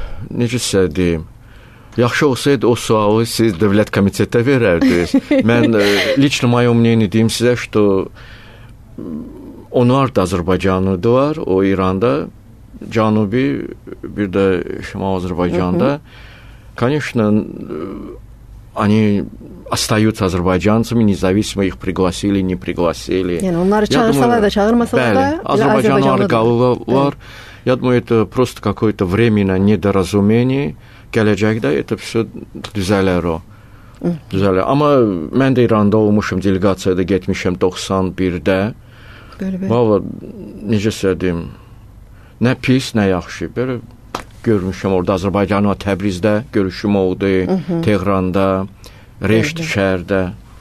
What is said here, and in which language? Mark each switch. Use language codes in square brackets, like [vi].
[az] Necə sizə deyim? Yaxşı olsaydı o sualı siz dövlət komitetdə verərdiniz. Mən [ru] lično mayo mneni [az] deyim sizə, [ru] что [az] onlar da Azərbaycanlıdırlar, o İranda, Cənubi, bir də Şimal Azərbaycanda. [ru] Конечно, они остаются азербайджанцами, независимо их пригласили, не пригласили. [az] Yəni, onları çağırsalar da, çağırmasalar da, Azərbaycanlılar qalırlar. [ru] Я думаю, это просто какое-то временное недоразумение. [az] Gələcəkdə [ru] это всё [az] düzələr o. Düzələr. Amma mən də İranda olmuşum, delegasiyada getmişəm 91-də. Valla, necə söyləyim, nə pis, nə yaxşı. Belə görmüşəm orada Azərbaycanı və Təbrizdə görüşüm oldu, Tehranda, Reşt şəhərdə.